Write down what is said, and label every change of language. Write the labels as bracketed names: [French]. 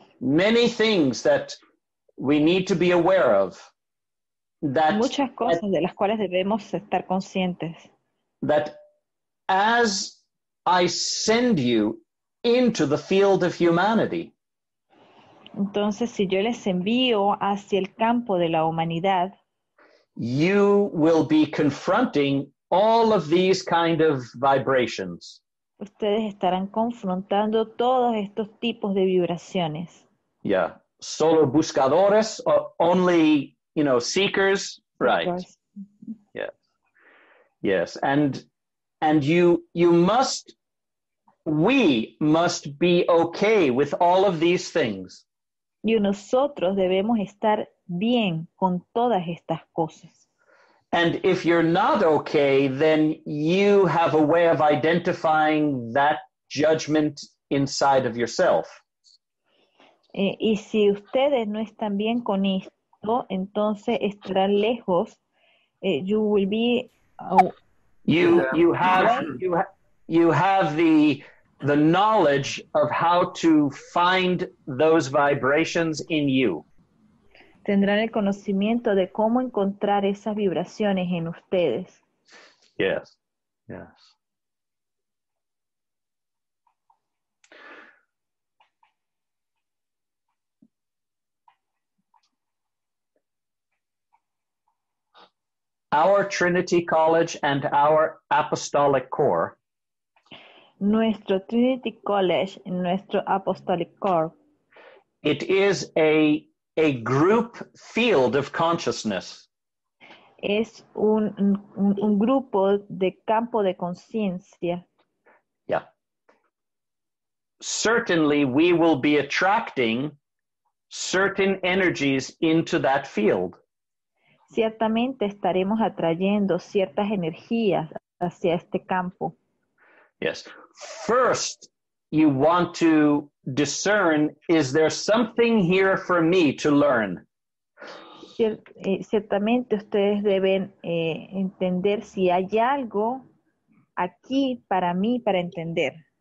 [English] Many things that we need to be aware of. That, [Spanish] muchas cosas de las cuales debemos estar conscientes. [English] That as I send you into the field of humanity, [Spanish] entonces, si yo les envío hacia el campo de la humanidad, [English] you will be confronting all of these kind of vibrations. [Spanish] Ustedes estarán confrontando todos estos tipos de vibraciones. [English] Yeah. [Spanish] Solo buscadores, [English] or only, you know, seekers. Right. Yes. Yes. And we must be okay with all of these things. [Spanish] Y nosotros debemos estar bien con todas estas cosas. [English] And if you're not okay, then you have a way of identifying that judgment inside of yourself. [Spanish] Y si ustedes no están bien con esto, entonces estarán lejos. [English] You will be. You have the knowledge of how to find those vibrations in you. [Spanish] Tendrán el conocimiento de cómo encontrar esas vibraciones en ustedes. [English] Yes. Yes. Our Trinity College and our Apostolic Core. [Spanish] Nuestro Trinity College y nuestro Apostolic Core. [English] It is a group field of consciousness. [Spanish] Es un grupo de campo de conciencia. [English] Yeah. Certainly we will be attracting certain energies into that field. [Spanish] Ciertamente estaremos atrayendo ciertas energías hacia este campo. [English] Yes. First, you want to discern, is there something here for me to learn? [Spanish] Ciertamente ustedes deben entender si hay algo aquí para mí para entender.